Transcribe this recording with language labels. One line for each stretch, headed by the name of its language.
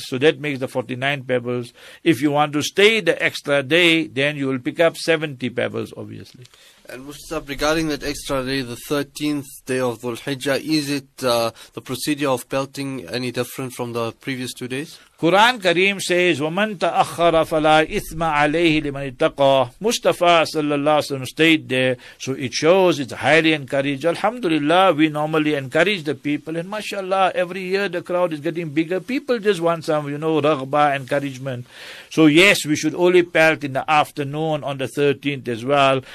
English: So that makes the 49 pebbles. If you want to stay the extra day, then you will pick up 70 pebbles, obviously. And Mustafa, regarding that extra day, the 13th day of Dhul Hijjah, is it the procedure of belting any different from the previous 2 days?
Arabic: Quran Kareem says, وَمَن تَأَخَّرَ فَلَا إِثْمَ عَلَيْهِ لِمَنِ اتَّقَى.
English: Mustafa sallallahu alayhi wa sallam stayed there, so it shows it's highly encouraged. Alhamdulillah, we normally encourage the people, and mashallah, every year the crowd is getting bigger. People just want some, you know, raghba, encouragement. So yes, we should only belt in the afternoon on the 13th as well.